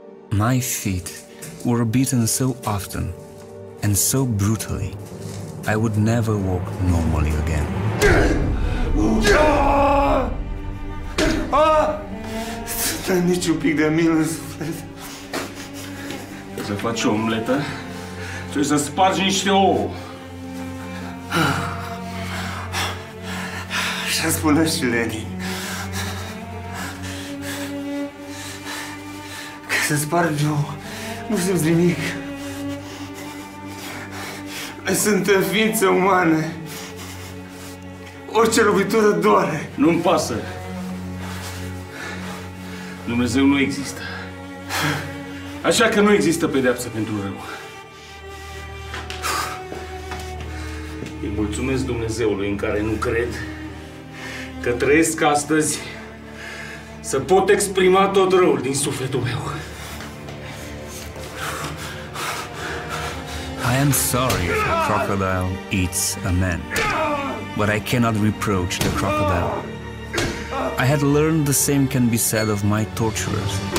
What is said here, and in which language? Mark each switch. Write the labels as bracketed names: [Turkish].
[English] My feet were beaten so often and so brutally, I would never walk normally again. [Romanian] Stai nici un pic de milă în suflet. Să faci o omletă, trebuie să spargi niște ouă. Așa spune și Lenin. Se-ți pare, Joe, nu simți nimic. Sunt ființe umane. Orice lovitură doare. Nu-mi pasă. Dumnezeu nu există. Așa că nu există pedeapsă pentru rău. Îi mulțumesc Dumnezeului în care nu cred că trăiesc astăzi să pot exprima tot răul din sufletul meu. [English] I am sorry if a crocodile eats a man, but I cannot reproach the crocodile. I had learned the same can be said of my torturers.